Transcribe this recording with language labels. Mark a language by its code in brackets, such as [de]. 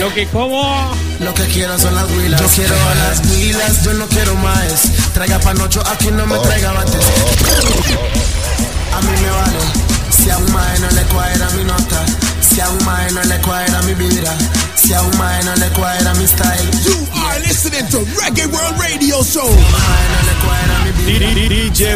[es] Lo que como. Lo que quiero son las huilas. Yo quiero a las huilas, yo no quiero más. Traiga panocho, aquí no me traiga bates. A mí me vale. Si a un mae no le cuadra mi nota. Si a un mae no le cuadra mi vida. Si a un mae no le cuadra mi style. [en] You are listening to Reggae World Radio Show. [es] Si a un mae no le cuadra mi vida.